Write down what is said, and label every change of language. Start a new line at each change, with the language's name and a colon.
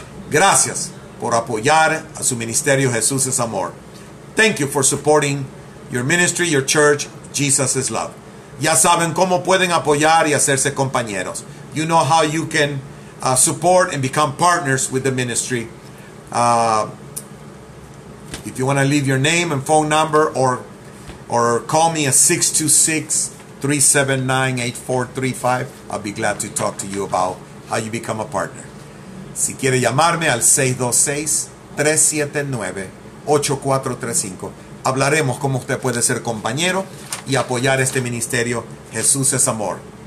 Spanish: Gracias por apoyar a su ministerio Jesús es Amor.
English: Thank you for supporting your ministry, your church, Jesus is Love.
Spanish: Ya saben cómo pueden apoyar y hacerse compañeros.
English: You know how you can support and become partners with the ministry. If you want to leave your name and phone number or call me at 626-379-8435, I'll be glad to talk to you about how you become a partner.
Spanish: Si quiere llamarme al 626-379-8435, hablaremos cómo usted puede ser compañero y apoyar este ministerio Jesús es Amor.